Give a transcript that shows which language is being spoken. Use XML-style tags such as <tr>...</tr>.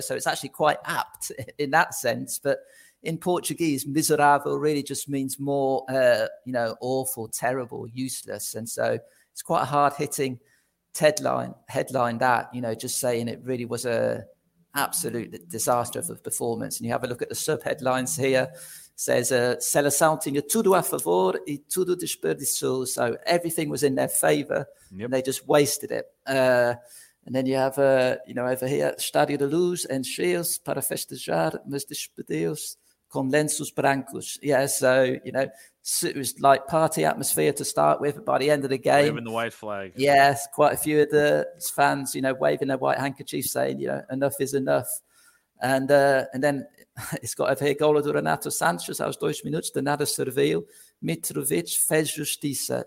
<en>So it's actually quite apt in that sense. But in Portuguese, miserável really just means more, awful, terrible, useless. And so it's quite a hard-hitting headline that, just saying it really was a absolute disaster of a performance. And you have a look at the sub-headlines here. It says,</en> <pt>Seleção tinha tudo a favor e tudo desperdiçou.</pt> <en>So everything was in their favor, yep, and they just wasted it. And then you have, over here,</en> <pt>Estádio da Luz, encheu-se para festejar, mas despediu-se con lenços brancos.</pt> <en>Yeah, so, it was like party atmosphere to start with, but by the end of the game, waving the white flag. Yes, quite a few of the fans, waving their white handkerchiefs saying, enough is enough. And then it's got over here,</en> <pt>gol do Renato Sanches aos 2 minutos, de nada serviu, Mitrovic fez justiça.</pt>